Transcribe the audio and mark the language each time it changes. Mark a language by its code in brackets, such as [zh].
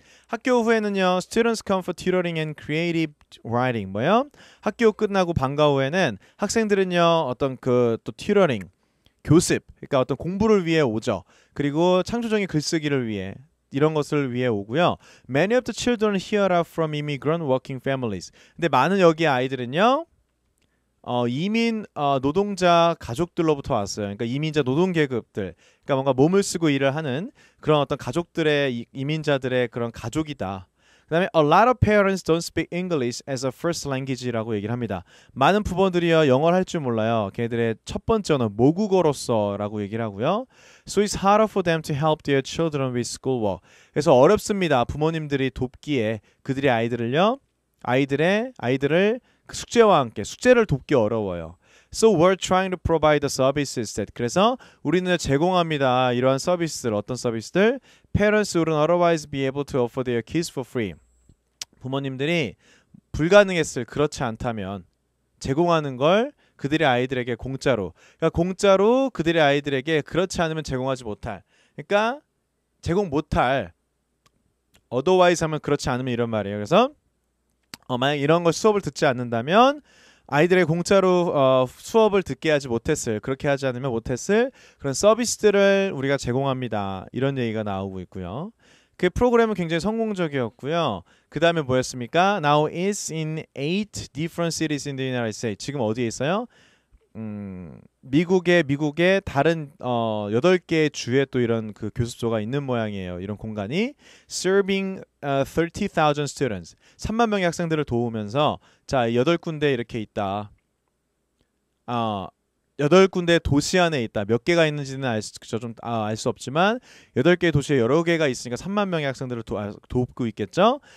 [ko] 학교 후에는요, [en] students come for tutoring and creative writing. [ko] 뭐요? 학교 끝나고 방과 후에는 학생들은요, 어떤 그 또 tutoring, 교습, 그러니까 어떤 공부를 위해 오죠. 그리고 창조적인 글쓰기를 위해, 이런 것을 위해 오고요. [en] Many of the children here are from immigrant working families. [ko] 근데 많은 여기 아이들은요, 이민 노동자 가족들로부터 왔어요. 그러니까 이민자 노동 계급들. 그러니까 뭔가 몸을 쓰고 일을 하는 그런 어떤 가족들의 이민자들의 그런 가족이다. 그다음에 [en] a lot of parents don't speak English as a first language라고 [ko] 얘기를 합니다. 많은 부모들이요 영어를 할 줄 몰라요. 걔들의 첫 번째는 모국어로서라고 얘기를 하고요. [en] So it's harder for them to help their children with schoolwork. [ko] 그래서 어렵습니다. 부모님들이 돕기에 그들의 아이들을요. 아이들을 그 숙제와 함께 숙제를 돕기 어려워요. [en] So we're trying to provide the services that. [ko] 그래서 우리는 제공합니다. 이러한 서비스들, 어떤 서비스들? [en] Parents wouldn't otherwise be able to offer their kids for free. [ko] 부모님들이 불가능했을 그렇지 않다면 제공하는 걸 그들의 아이들에게 공짜로. 그러니까 공짜로 그들의 아이들에게 그렇지 않으면 제공하지 못할. 그러니까 제공 못할. Otherwise 하면 그렇지 않으면 이런 말이에요. 그래서 만약 이런 거 수업을 듣지 않는다면 아이들의 공짜로 수업을 듣게 하지 못했을, 그렇게 하지 않으면 못했을 그런 서비스들을 우리가 제공합니다. 이런 얘기가 나오고 있고요. 그 프로그램은 굉장히 성공적이었고요. 그 다음에 뭐였습니까? [en] Now it's in 8 different cities in the United States. [ko] 지금 어디에 있어요? 미국의 다른 8개의 주에 또 이런 그 교습소가 있는 모양이에요. 이런 공간이 [en] serving 30,000 students. [ko] 3만 명의 학생들을 도우면서 자, 8군데 이렇게 있다. 8군데 도시 안에 있다. 몇 개가 있는지는 알 수 없지만 8개의 도시에 여러 개가 있으니까 3만 명의 학생들을 돕고 있겠죠.